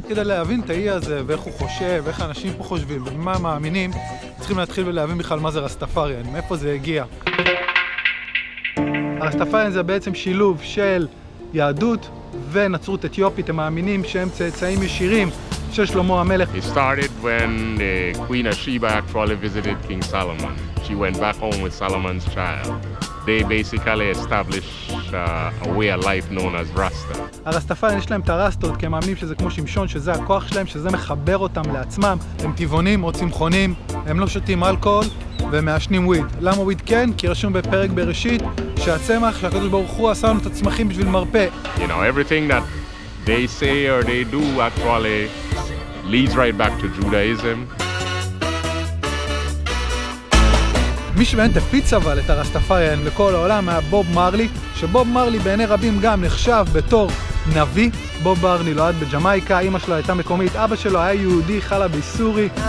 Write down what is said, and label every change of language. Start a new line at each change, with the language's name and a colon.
Hebrew: כדי להבין את האי הזה ואיך הוא חושב, איך האנשים פה חושבים ומה מאמינים, צריכים להתחיל ולהבין בכלל מה זה רסטאפריאן, מאיפה זה הגיע. הרסטאפריאן זה בעצם שילוב של יהדות ונצרות אתיופית, הם מאמינים שהם צאצאים ישירים של שלמה המלך.
English: It started when Queen Sheba actually visited King Solomon. She went back home with Solomon's child. They basically established a way of life known as Rasta.
Hebrew: הרסטאפריאן יש להם את הרסטות, כי הם מאמינים שזה כמו שמשון, שזה הכוח שלהם, שזה מחבר אותם לעצמם. הם טבעונים או צמחונים, הם לא שותים אלכוהול ומעשנים וויד. למה וויד כן? כי רשום בפרק בראשית שהצמח, שהקדוש ברוך הוא עשה לנו את הצמחים בשביל מרפא.
English: You know, everything that they say or they do actually leads right back to Judaism.
Hebrew: מי שבאמת תפיץ אבל את הרסטאפריאן לכל העולם היה בוב מרלי, שבוב מרלי בעיני רבים גם נחשב בתור נביא. בוב מרלי נולד בג'מייקה, אמא שלו הייתה מקומית, אבא שלו היה יהודי, חלה בסורי.